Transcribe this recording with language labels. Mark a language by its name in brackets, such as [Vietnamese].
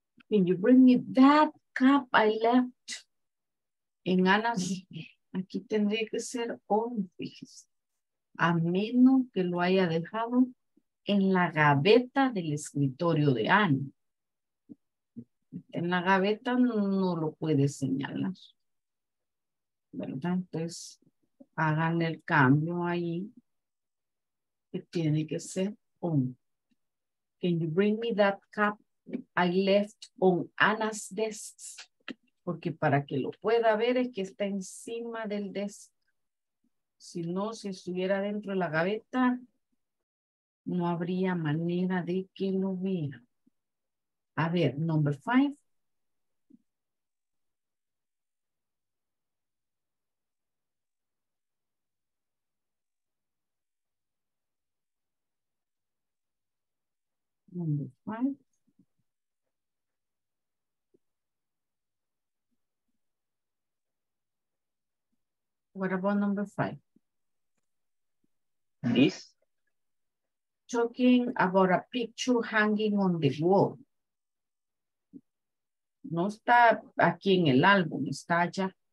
[English] Can you bring me that cup I left in Ana's? [Spanish] Aquí tendría que ser office. A menos que lo haya dejado en la gaveta del escritorio de Ana. En la gaveta no lo puede señalar. ¿Verdad? Entonces, hagan el cambio ahí. Que tiene que ser on. [English] Can you bring me that cup I left on Ana's desk? [Spanish] Porque para que lo pueda ver es que está encima del desk. Si no, si estuviera dentro de la gaveta, no habría manera de que lo vea. A ver, [English] number five. What about number five? This? Talking about a picture hanging on the wall. [Spanish] No está aquí en el álbum, está allá.